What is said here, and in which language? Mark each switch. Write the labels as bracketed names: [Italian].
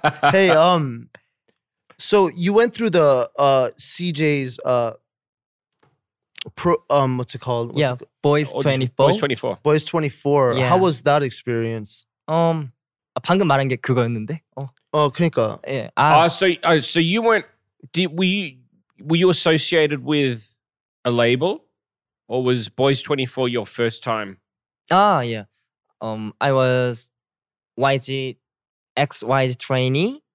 [English] Hey, so you went through the CJ's what's it called? Boys 24. Yeah. How was that experience? [Korean] 방금 말한 게 그거였는데. 그러니까. 예. [English] 아, so you went were you associated with a label or was Boys 24 your first time? Ah, yeah. I was YG, XYZ trainee.